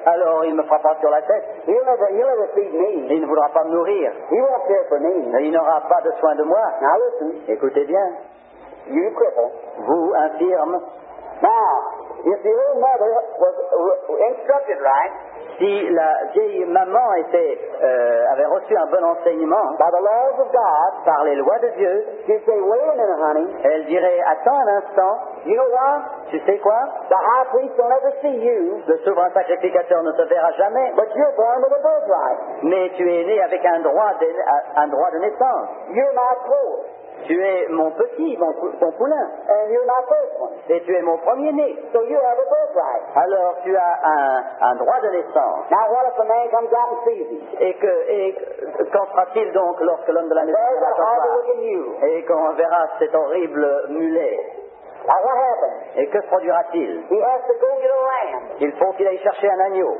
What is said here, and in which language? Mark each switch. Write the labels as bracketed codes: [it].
[fr] Alors il me frappera sur la tête. [en] He'll never feed me. [fr] Il ne voudra pas me nourrir. [en] He won't care for me. [fr] Et il n'aura pas de soin de moi. [en] Now listen. [fr] Écoutez bien. [en] You cripple. [fr] Vous infirme. [en] Now, if the old mother was instructed right, [fr] si la vieille maman était, avait reçu un bon enseignement, [en] by the laws of God, [fr] par les lois de Dieu, [en] she'd say, wait a minute, honey. [fr] Elle dirait, attends un instant. [en] You know what? [fr] Tu sais quoi? [en] The high priest will never see you. [fr] Le souverain sacrificateur ne te verra jamais. [en] But you're born with a birthright. [fr] Mais tu es né avec un droit de naissance. [en] You're my poor. [fr] Tu es mon petit, mon poulain. [en] And you're my first one. [fr] Et tu es mon premier-né. [en] So you have a birthright. [fr] Alors tu as un droit de naissance. [en] Now what if a man comes out and sees you? [fr] Et qu'en sera-t-il donc lorsque l'homme de la maison va te voir? Et quand on verra cet horrible mulet. [en] Now what happens? [fr] Et que se produira-t-il? [en] He has to go get a lamb. [fr] Il faut qu'il aille chercher un agneau.